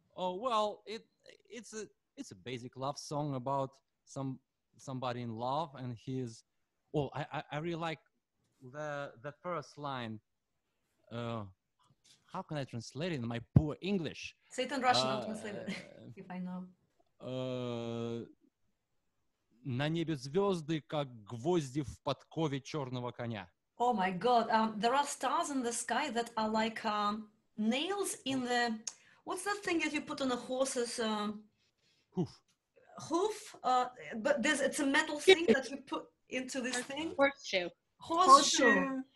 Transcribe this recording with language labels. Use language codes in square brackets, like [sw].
[en] Oh, well, it's a basic love song about somebody in love and his, well, I really like the first line. How can I translate it in my poor English? Say it in Russian, I'll translate it if I know. [ru] На небе звезды, как гвозди в подкове черного коня. [en] Oh my God, there are stars in the sky that are like nails in the, what's that thing that you put on a horse's, Hoof, but it's a metal thing that you put into this thing. Horseshoe.